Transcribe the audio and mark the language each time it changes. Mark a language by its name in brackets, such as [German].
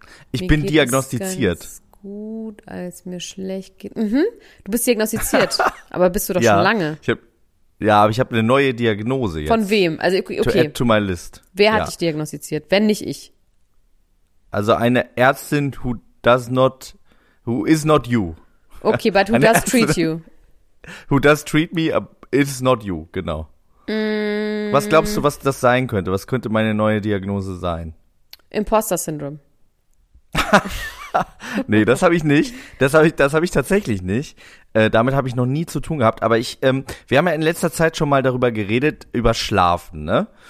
[German] Ich bin diagnostiziert. Gut, als mir schlecht geht. Mhm. Du bist diagnostiziert, aber bist du doch ja, schon lange. Ich habe eine neue Diagnose jetzt. Von wem? Also okay. [English] To add to my list. [German] Wer hat dich diagnostiziert, wenn nicht ich? Also eine Ärztin, [English] who is not you. Okay, but who does treat you? Who does treat me, is not you, [German] genau. Was glaubst du, was das sein könnte? Was könnte meine neue Diagnose sein? [English] Imposter Syndrome. [German] Nee, das habe ich nicht. Das hab ich tatsächlich nicht. Damit habe ich noch nie zu tun gehabt. Aber wir haben ja in letzter Zeit schon mal darüber geredet, über Schlafen, ne?